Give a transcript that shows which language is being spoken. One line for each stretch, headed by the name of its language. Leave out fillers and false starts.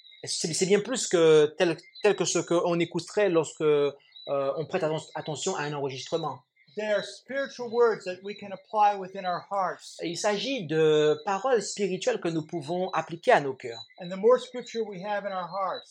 French: C'est bien plus que tel que ce que on écouterait lorsque on prête attention à un enregistrement.
English: They are spiritual words that we can apply within our hearts.
French: Il s'agit de paroles spirituelles que nous pouvons appliquer à nos cœurs.
English: And the more scripture we have in our hearts.